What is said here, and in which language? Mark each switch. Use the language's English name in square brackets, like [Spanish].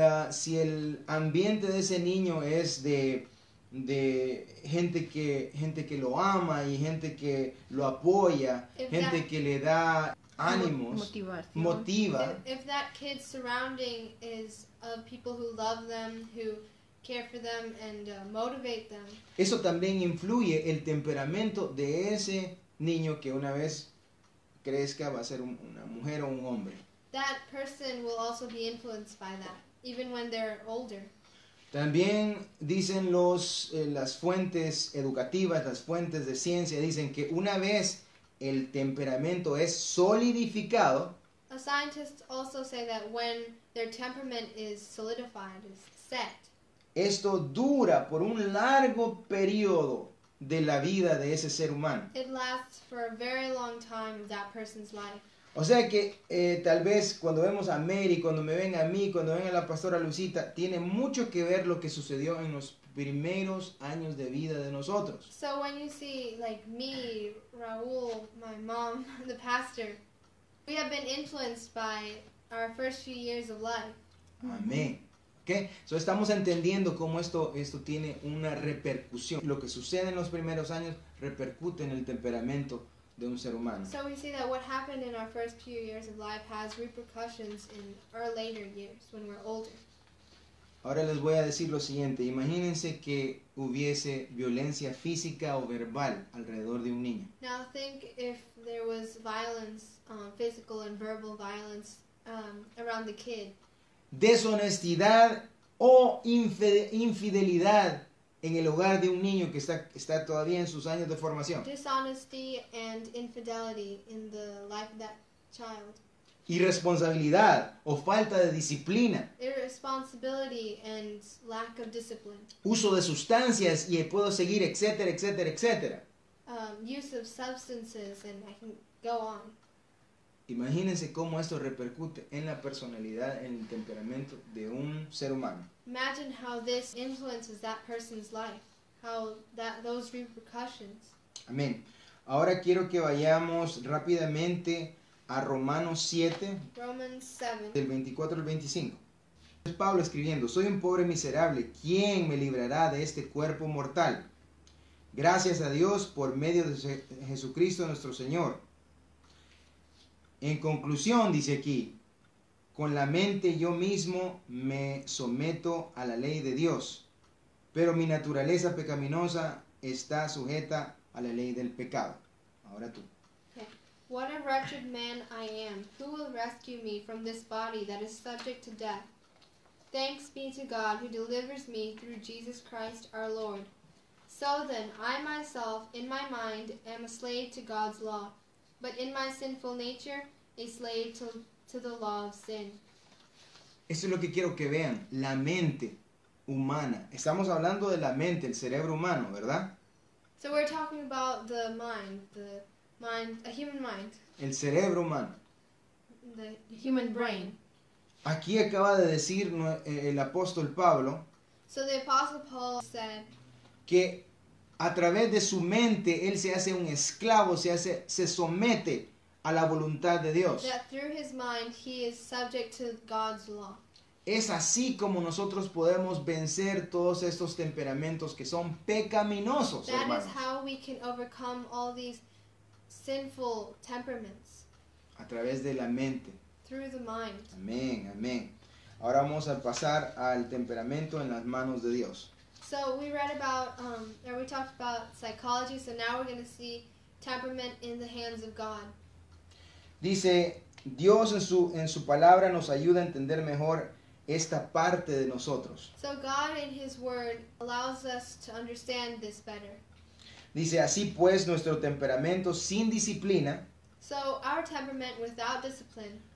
[Spanish] si el ambiente de ese niño es de gente que lo ama y gente que lo apoya, gente que le da ánimos, motiva. [English] If that kid's surrounding is of people who love them, who care for them and motivate them. [Spanish] Eso también influye el temperamento de ese niño que una vez crezca va a ser una mujer o un hombre. [English] That person will also be influenced by that, even when they're older. [Spanish] También dicen las fuentes educativas, las fuentes de ciencia, dicen que una vez el temperamento es solidificado. [English] A scientist also say that when their temperament is solidified, is set. [Spanish] Esto dura por un largo periodo de la vida de ese ser humano. [English] It lasts for a very long time of that person's life. [Spanish] O sea que tal vez cuando vemos a Mary, cuando me ven a mí, cuando ven a la pastora Lucita, tiene mucho que ver lo que sucedió en los primeros años de vida de nosotros. [English] So when you see like me, Raúl, my mom, the pastor, we have been influenced by our first few years of life. [Spanish] Amén. ¿Qué? So estamos entendiendo cómo esto tiene una repercusión. Lo que sucede en los primeros años repercute en el temperamento de un ser humano. [English] So we see that what happened in our first few years of life has repercussions in our later years when we're older. [Spanish] Ahora les voy a decir lo siguiente. Imagínense que hubiese violencia física o verbal alrededor de un niño. [English] Now think if there was violence, physical and verbal violence, around the kid. [Spanish] Deshonestidad o infidelidad en el hogar de un niño que está todavía en sus años de formación. [English] Dishonesty and infidelity in the life of that child. [Spanish] Irresponsabilidad o falta de disciplina. [English] Irresponsibility and lack of discipline. [Spanish] Uso de sustancias y puedo seguir, etcétera, etcétera, etcétera. [English] Use of substances and I can go on. [Spanish] Imagínense cómo esto repercute en la personalidad, en el temperamento de un ser humano. [English] Imagine how this influences that person's life. How that those repercussions. [Spanish] Amén. Ahora quiero que vayamos rápidamente a Romanos 7, [English] Romans 7, [Spanish] del 24 al 25. Es Pablo escribiendo: soy un pobre miserable, ¿quién me librará de este cuerpo mortal? Gracias a Dios por medio de Jesucristo nuestro Señor. En conclusión, dice aquí, con la mente yo mismo me someto a la ley de Dios, pero mi naturaleza pecaminosa está sujeta a la ley del pecado. Ahora tú. [English] What a wretched man I am. Who will rescue me from this body that is subject to death? Thanks be to God who delivers me through Jesus Christ our Lord. So then, I myself, in my mind, am a slave to God's law, but in my sinful nature, a slave to the law of sin. [Spanish] Eso es lo que quiero que vean. La mente humana. Estamos hablando de la mente, el cerebro humano, ¿verdad? [English] So we're talking about the mind, the mind, a human mind. [Spanish] El cerebro humano. [English] The human brain. [Spanish] Aquí acaba de decir el apóstol Pablo. [English] So the apostle Paul said. [Spanish] Que a través de su mente, él se hace un esclavo, se somete a la voluntad de Dios. [English] That through his mind, he is subject to God's law. [Spanish] Es así como nosotros podemos vencer todos estos temperamentos que son pecaminosos, [English] that [Spanish] hermanos. [English] Is how we can overcome all these sinful temperaments. [Spanish] A través de la mente. [English] Through the mind. [Spanish] Amén, amén. Ahora vamos a pasar al temperamento en las manos de Dios. [English] So we read about, or we talked about psychology, so now we're going to see temperament in the hands of God. [Spanish] Dice, Dios en su palabra nos ayuda a entender mejor esta parte de nosotros. [English] So God in his word allows us to understand this better. [Spanish] Dice, así pues, nuestro temperamento sin disciplina, [English] so our temperament without discipline,